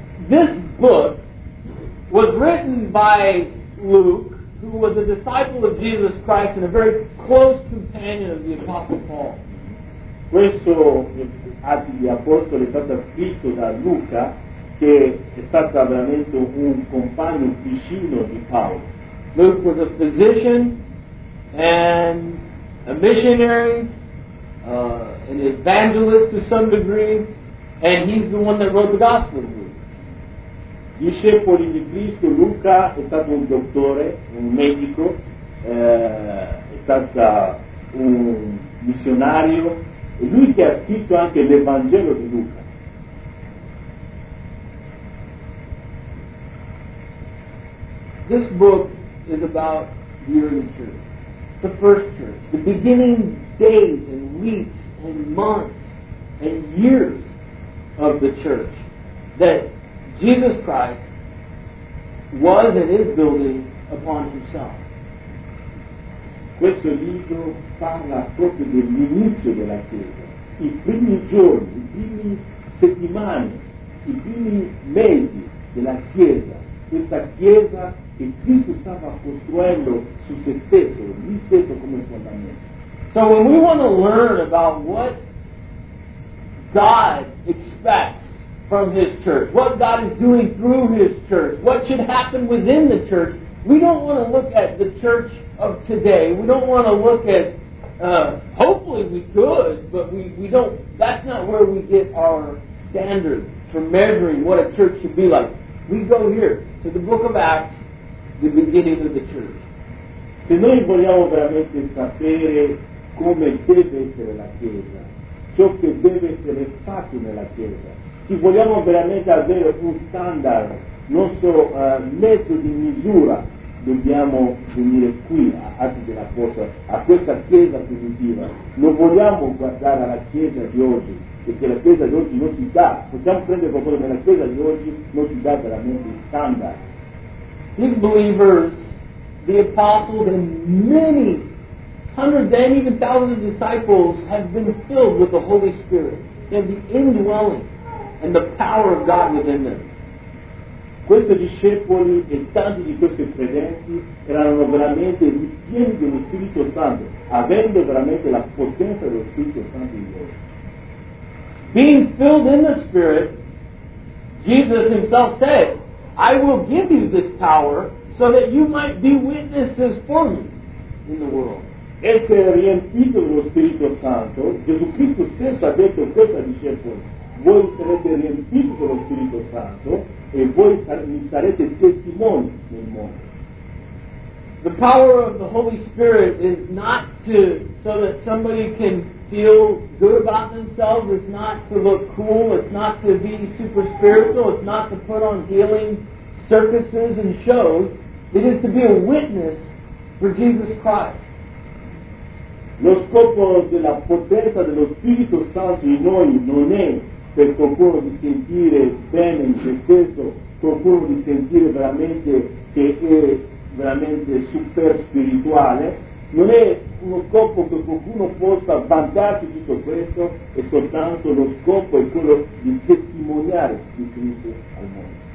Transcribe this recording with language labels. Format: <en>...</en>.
<en>This book was written by Luke, who was a disciple of Jesus Christ and a very close companion of the Apostle Paul.</en> <it>Questo Atti di Apostoli è stato scritto da Luca, che è stato veramente un compagno vicino di Paolo.</it> <en>Luke was a physician and a missionary, an evangelist to some degree, and he's the one that wrote the gospel of Luke.</en> <it>Discepoli di Cristo, Luca è stato un dottore, un medico, è stato un missionario. E lui che ha scritto anche l'Evangelo di Luca.</it> <en>This book is about the early church, the first church, the beginning days and weeks and months and years of the church that Jesus Christ was and is building upon himself.</en> <it>Questo libro parla proprio dell'inizio della Chiesa, i primi giorni, i primi settimane, i primi mesi della Chiesa, questa Chiesa che Cristo stava costruendo su se stesso, lui stesso come fondamento.</it> <en>So when we want to learn about what God expects from His church, what God is doing through His church, what should happen within the church, we don't want to look at the church of today. We don't want to look at, hopefully we could, but we don't, that's not where we get our standard for measuring what a church should be like. We go here, to the book of Acts, the beginning of the church.</en> <it>Se noi vogliamo veramente sapere come deve essere la Chiesa, ciò che deve essere fatto nella Chiesa. Se vogliamo veramente avere un standard, non solo metodo di misura, dobbiamo venire qui, a Atti della Porta, a questa Chiesa primitiva. Non vogliamo guardare alla Chiesa di oggi, perché la Chiesa di oggi non si dà, possiamo prendere qualcosa, ma la Chiesa di oggi non si dà veramente un standard.</it> <en>These believers, the apostles, and many hundreds and even thousands of disciples have been filled with the Holy Spirit. They have the indwelling and the power of God within them.</en> <it>Questi discepoli e tanti di questi credenti erano veramente ripieni dello Spirito Santo, avendo veramente la potenza dello Spirito Santo in loro.</it> <en>Being filled in the Spirit, Jesus himself said, I will give you this power so that you might be witnesses for me in the world.</en> <it>Essere riempito dello Spirito Santo, Gesù Cristo stesso ha detto questo ai discepoli, voi sarete riempiti dello Spirito Santo e voi mi sarete testimoni nel mondo.</it> <en>The power of the Holy Spirit is not to so that somebody can feel good about themselves, it's not to look cool, it's not to be super spiritual, it's not to put on healing circuses and shows, it is to be a witness for Jesus Christ.</en> <it>Lo scopo della potenza dello Spirito Santo in noi non è per qualcuno di sentire bene in se stesso, qualcuno di sentire veramente che è veramente super spirituale, non è uno scopo che qualcuno possa vantarsi di tutto questo, è soltanto lo scopo è quello di testimoniare di Cristo al mondo.</it>